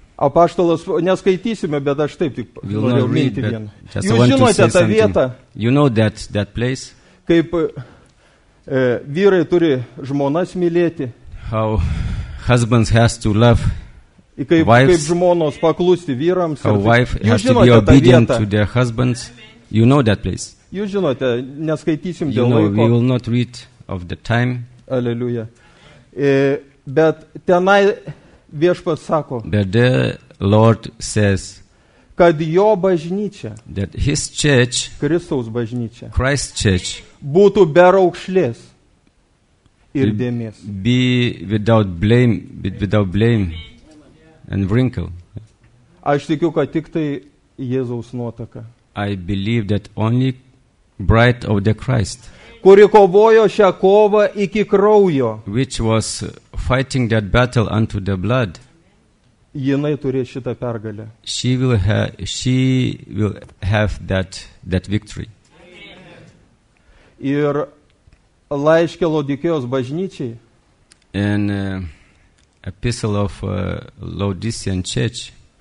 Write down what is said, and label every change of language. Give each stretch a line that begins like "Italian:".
Lithuanian: Apaštalas, neskaitysime, bet aš taip tik
English: we'll
Lithuanian: norėjau
English: read,
Lithuanian: rinkti vieną. Jūs žinote tą
English: something.
Lithuanian: Vietą.
English: You know that place.
Lithuanian: Kaip vyrai turi žmonas mylėti.
English: How husbands has to love.
Lithuanian: I kaip žmonos paklusti vyrams.
English: How wife has to be obedient to their husbands. You know that place.
Lithuanian: Jūs žinote, neskaitysim
English: you
Lithuanian: dėl
English: know,
Lithuanian: laiko.
English: We will not read of the time.
Lithuanian: Aleluja. Bet tenai viešpas sako.
English: But the Lord says.
Lithuanian: Kad jo bažnyčia.
English: That his church.
Lithuanian: Kristaus bažnyčia.
English: Christ's church.
Lithuanian: Būtų be raukšlės. Ir dėmės.
English: Be without blame. Without blame. And wrinkle.
Lithuanian: Aš tikiu, kad tik tai Jėzaus nuotaka.
English: I believe that only bride of the Christ.
Lithuanian: Kuri kovojo šią kovą iki kraujo.
English: Which was fighting that battle unto the blood.
Lithuanian: Jinai turės šitą pergalę.
English: She will have that victory.
Lithuanian: Ir laiškė Laodikėjos bažnyčiai.
English: And Epistle of Laodicean Church.